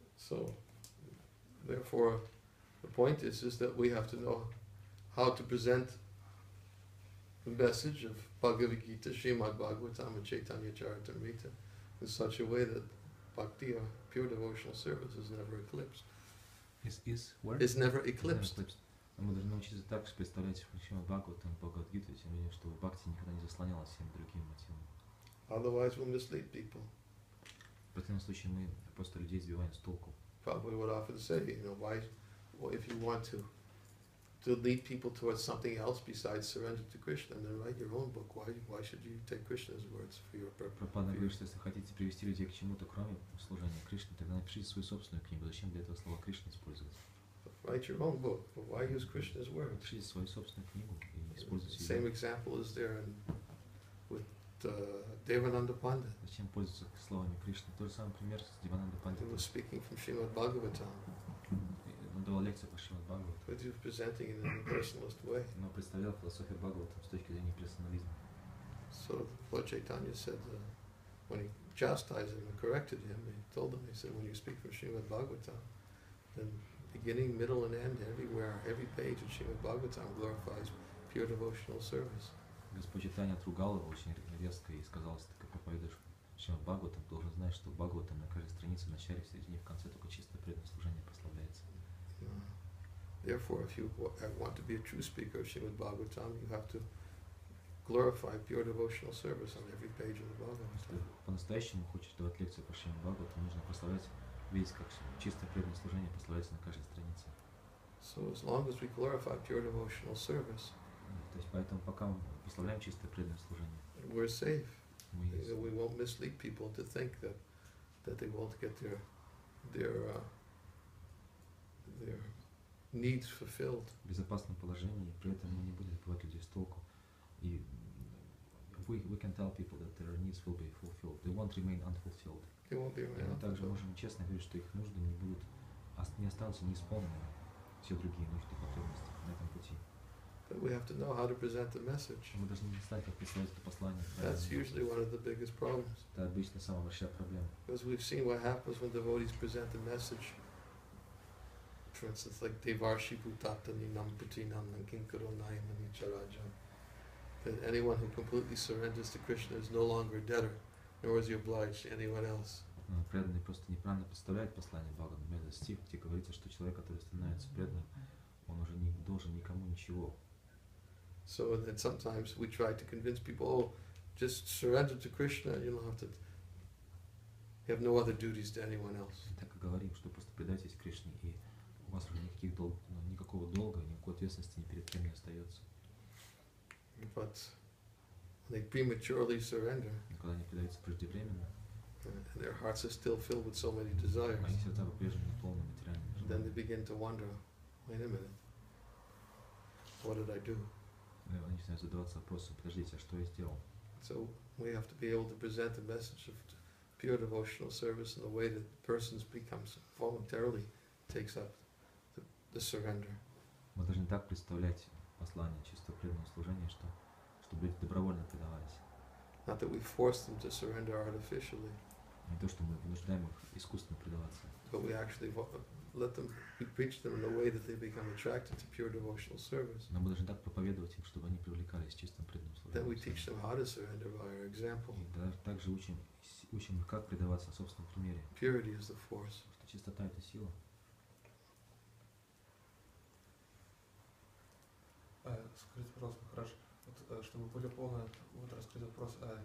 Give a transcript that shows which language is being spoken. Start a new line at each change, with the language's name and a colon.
English: So, therefore, the point is that we have to know how to present the message of Bhagavad Gita, Srimad Bhagavatam, and Chaitanya Charitamrita in such a way that bhakti, or pure devotional service, is never eclipsed. Is where? Is never eclipsed.
Russian: Мы должны научиться так представлять Шримад Бхагаватам, Бхагавад Гиту, тем более, чтобы бхакти никогда не заслонялась всем другим мотивам.
English: Otherwise, we'll mislead people.
Russian: В противном случае мы просто людей сбиваем с толку.
English: Probably would often say, you know, why, well, if you want to lead people towards something else besides surrender to Krishna, then write your own book. Why should you take Krishna's words for your purpose?
Russian: Пропада говорит, что если хотите привести людей к чему-то, кроме служения Кришне, тогда напишите свою собственную книгу. Зачем для этого слова Кришна использовать?
English: Write your own book, but why use Krishna's words?
Russian: Напишите свою собственную книгу и используйте ее.
English: Same example is there in, with Devananda Pandit.
Russian: Зачем пользоваться словами Кришны? Тот же самый пример с Девананда Пандитом.
English: He was speaking from Srimad Bhagavatam.
Russian: Он давал лекцию по Шримад Бхагаватам.
English: But he was presenting it in a personalist way.
Russian: Но представлял философию Бхагаватам с точки зрения персонализма.
English: So Lord Chaitanya said, when he chastised him and corrected him, he told him, he said, when you speak from Srimad Bhagavatam, then beginning, middle and end, everywhere, every page of Srimad Bhagavatam glorifies pure devotional service.
Russian: Господь Чайтанья отругал его очень резко и сказал, если ты как проповедуешь Шримад Бхагаватам, ты должен знать, что в Бхагаватам на каждой странице, в начале, в середине, в конце только чистое преданное служение прославляется.
English: Therefore, if you want to be a true speaker of Shrimad Bhagavatam, you have to glorify pure devotional service on every page of the Bhagavatam.
Russian: По-настоящему хочешь давать лекцию по Шримад Бхагаватам, нужно прославлять весь, как чистое преданное служение прославляется на каждой странице.
English: So as long as we glorify pure devotional service,
Russian: то есть поэтому пока мы прославляем чистое преданное служение,
English: we're safe. We won't mislead people to think that they won't get their needs fulfilled.
Russian: В безопасном положении, при этом мы не будем сбивать людей с толку.
English: И we can tell people that their needs will be fulfilled. They won't remain unfulfilled. They won't be unfulfilled.
Russian: И мы также можем честно говорить, что их нужды не будут, не останутся неисполненными, все другие нужды и потребности на этом пути.
English: But we have to know how to present the message.
Russian: Мы должны знать, как представить это послание.
English: That's usually one of the biggest problems.
Russian: Это обычно самая большая проблема.
English: Because we've seen what happens when devotees present the message. For instance, like
Sanskrit: Devarshi Bhutata Ninam Putinam Nankinkaro Nayam Nicharaja.
English: That anyone who completely surrenders to Krishna is no longer a debtor, nor is he obliged to anyone else.
Russian: Преданный просто неправильно представляет послание Бхагавана. Это стих, где говорится, что человек, который становится преданным, он уже не должен никому ничего.
English: So that sometimes we try to convince people, oh, just surrender to Krishna, you don't have to, you have no other duties to anyone else.
Russian: Так и говорим, что просто предайтесь Кришне, и у вас уже никакого долга, никакой ответственности ни перед кем не остается.
English: But they prematurely surrender.
Russian: Когда они предаются преждевременно,
English: and their hearts are still filled with so many desires.
Russian: Они сердца по-прежнему полны материальными желаниями.
English: Then they begin to wonder, wait a minute, what did I do?
Russian: Они начинают задаваться вопросом, подождите, а что я сделал?
English: So we have to be able to present the message of pure devotional service in a way that the person becomes voluntarily takes up the surrender.
Russian: Мы должны так представлять послание чистого преданного служения, чтобы люди добровольно предавались.
English: Not that we force them to surrender artificially.
Russian: Не то, что мы вынуждаем их искусственно предаваться.
English: But we actually let them, we preach them in a way that they become attracted to pure devotional service.
Russian: Но мы должны так проповедовать им, чтобы они привлекались чистым преданным служением.
English: Then we teach them how to surrender by our example.
Russian: И также учим их, как предаваться собственном примере.
English: Purity is the force.
Russian: Что чистота — это сила. Скажите, пожалуйста, хорошо, вот, чтобы более полно вот раскрыть вопрос,